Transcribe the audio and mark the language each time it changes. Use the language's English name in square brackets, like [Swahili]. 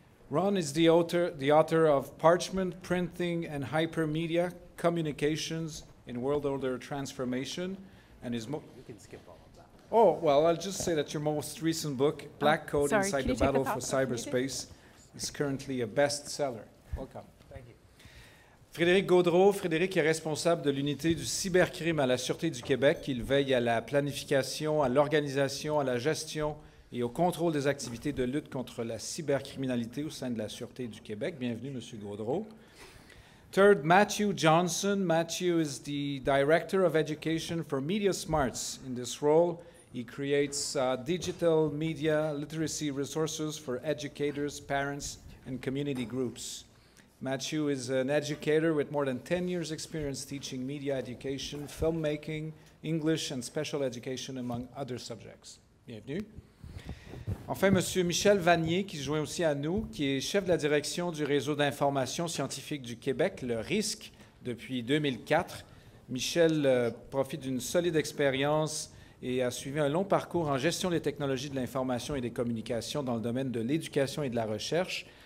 [English] Ron is the author of Parchment, Printing, and Hypermedia, Communications in World Order Transformation, and is you can skip all of that. Oh, well, I'll just say that your most recent book, Black Code Inside the Battle for Cyberspace, is currently a bestseller. Welcome. Thank you. [French] Frédérick Gaudreau. Frédérick est responsable de l'unité du cybercrime à la Sûreté du Québec. Il veille à la planification, à l'organisation, à la gestion et au contrôle des activités de lutte contre la cybercriminalité au sein de la Sûreté du Québec. Bienvenue, Monsieur Gaudreau. [English] Third, Matthew Johnson. Matthew is the Director of Education for MediaSmarts. In this role, he creates digital media literacy resources for educators, parents, and community groups. Matthew is an educator with more than 10 years' experience teaching media education, filmmaking, English, and special education, among other subjects. [French] Bienvenue. Enfin, M. Michel Vanier, qui se joint aussi à nous, qui est chef de la direction du Réseau d'information scientifique du Québec, le RISQ, depuis 2004. Michel profite d'une solide expérience et a suivi un long parcours en gestion des technologies de l'information et des communications dans le domaine de l'éducation et de la recherche.